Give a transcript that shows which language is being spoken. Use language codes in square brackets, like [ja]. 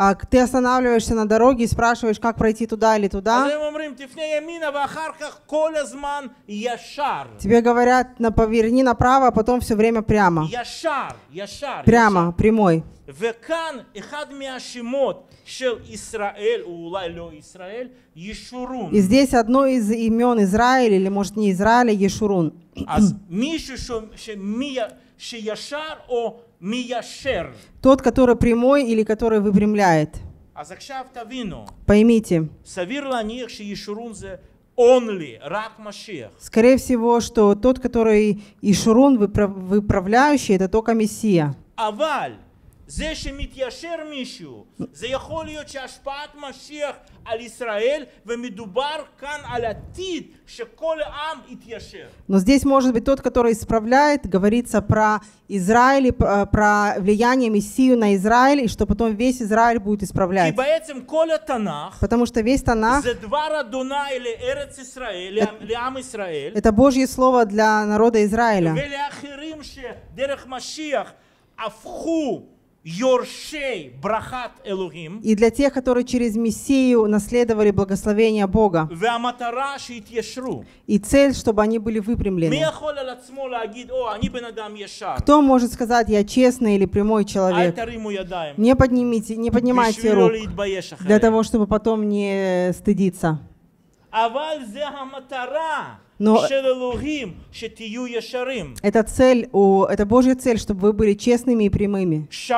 [ru] Ты останавливаешься на дороге и спрашиваешь, как пройти туда или туда. Тебе говорят, поверни направо, а потом все время прямо. Прямо, прямой. [he] וכאן אחד מהשמות של ישראל, או אולי לא ישראל, ישורון. [ru] И здесь одно из имен Израиля, или может не Израиля, ישורון. [he] אז מישהו שישר או מיישר. [ru] Тот, который прямой или который выпрямляет. [he] אז עכשיו תבינו. [ru] Поймите. [he] סביר להניח שישורון זה [en] only, [he] רק משיח. [ru] Скорее всего, что тот, который ישורון, выправляющий, это только Мессия. [he] אבל זה שמתיישר מישהו, זה יכול להיות שהשפעת משיח על ישראל, ומדובר כאן על עתיד שכל העם יתיישר. [ru] Но здесь может быть тот, который исправляет, говорится про Израиль, про влияние Мессию на Израиль, и что потом весь Израиль будет исправлять. [he] כי בעצם כל התנ"ך, [ru] потому что весь Танах, [he] זה דבר אדוני לארץ ישראל, לעם ישראל, [ru] это Божье слово для народа Израиля. [he] ולאחרים שדרך משיח הפכו יורשי ברכת אלוהים. [ru] И для тех, которые через Мессию наследовали благословение Бога. [he] והמטרה שיתיישרו. [ru] И цель, чтобы они были выпрямлены. [he] מי יכול על עצמו להגיד, או, אני בן אדם ישר. [ru] Кто может сказать, я честный или прямой человек? [he] אל תרימו ידיים. [ru] Не поднимайте рук. [he] בשביל לא להתבייש אחרי. [ru] Для того, чтобы потом не стыдиться. [he] אבל זה המטרה. [ru] Но это цель, это Божья цель, чтобы вы были честными и прямыми.